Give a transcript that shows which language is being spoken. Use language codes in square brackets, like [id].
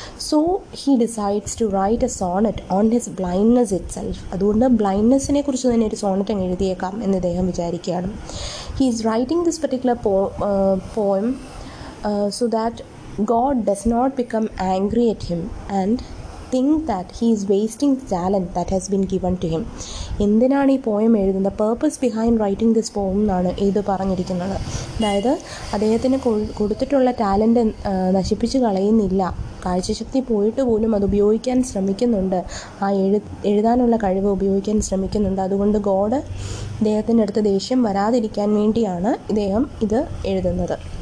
[en] So he decides to write a sonnet on his blindness itself. [ml] അതുകൊണ്ട് ബ്ലൈൻഡ്നെസ്സിനെ കുറിച്ച് തന്നെ ഒരു സോണറ്റ് അങ്ങ് എഴുതിയേക്കാം എന്ന് ഇദ്ദേഹം വിചാരിക്കുകയാണ്. [en] He is writing this particular poem so that God does not become angry at him and think that he is wasting the talent that has been given to him. [ml] എന്തിനാണ് ഈ പോയം എഴുതുന്നത്? [en] purpose behind writing this poem [ml] എന്നാണ് ഇത് പറഞ്ഞിരിക്കുന്നത്. അതായത് അദ്ദേഹത്തിന് കൊടുത്തിട്ടുള്ള talent നശിപ്പിച്ച് കളയുന്നില്ല, കാഴ്ചശക്തി പോയിട്ട് പോലും അത് ഉപയോഗിക്കാൻ ശ്രമിക്കുന്നുണ്ട്. ആ എഴുതാനുള്ള കഴിവ് ഉപയോഗിക്കാൻ ശ്രമിക്കുന്നുണ്ട്. അതുകൊണ്ട് ഗോഡ് അദ്ദേഹത്തിൻ്റെ അടുത്ത് ദേഷ്യം വരാതിരിക്കാൻ വേണ്ടിയാണ് ഇദ്ദേഹം ഇത് എഴുതുന്നത്.